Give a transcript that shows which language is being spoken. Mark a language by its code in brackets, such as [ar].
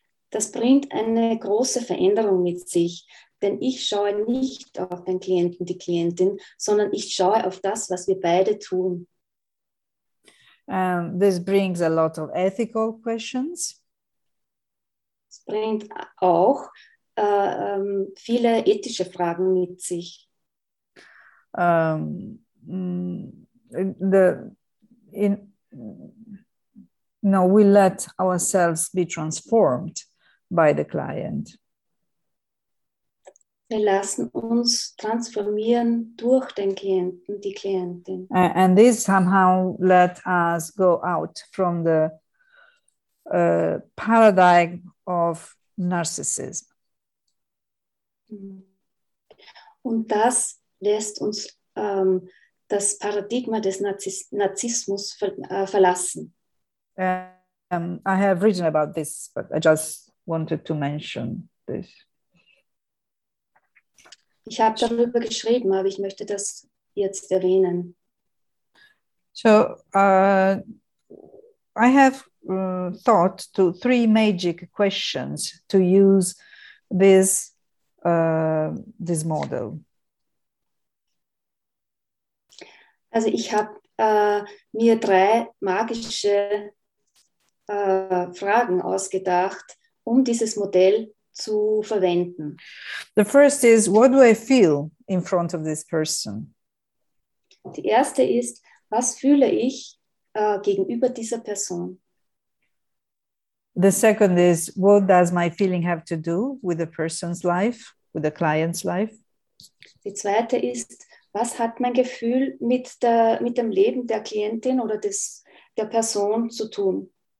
[de] Das bringt eine große Veränderung mit sich, denn ich schaue nicht auf den Klienten, die Klientin, sondern ich schaue auf das, was wir beide tun. [en] This brings a lot of ethical questions. [de] Es bringt auch viele ethische Fragen mit sich. [en] We let ourselves be transformed by the client. [de] Wir lassen uns transformieren durch den Klienten, die Klientin. [en] And this somehow let us go out from the paradigm of narcissism. [de] Und das lässt uns das Paradigma des Narzissmus verlassen. [en] I have written about this, but I just wanted to mention this. [de] Ich habe darüber geschrieben, aber ich möchte das jetzt erwähnen. [en] So, I have thought to three magic questions to use this model. [de] Also ich habe mir drei magische Fragen ausgedacht, um dieses Modell zu verwenden. [en] The first is, what do I feel in front of this person? [de] Die erste ist, was fühle ich gegenüber dieser Person? [en] The second is, what does my feeling have to do with the person's life, with the client's life? [de] Die zweite ist, was hat mein Gefühl mit dem Leben der Klientin oder der Person zu tun?